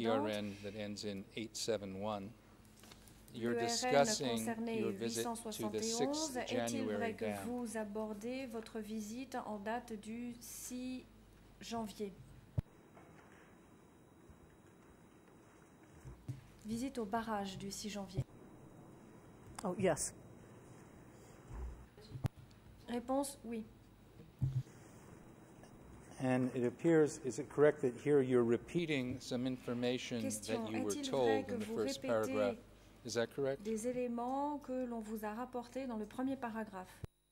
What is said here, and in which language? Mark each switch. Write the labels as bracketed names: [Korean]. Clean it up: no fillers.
[English] Is ERN that ends in 871, you're discussing your visit to the 6th January [French] est-il vrai que vous abordez votre visite en date du 6 janvier? Visite au barrage du 6 janvier. [English] Oh, yes. [French] Réponse, oui. [English] And it appears, is it correct that here you're repeating some information [French] question, [English] that you were told in the first paragraph? Is that correct? [French] Des éléments que l'on vous a rapportés dans le premier paragraphe.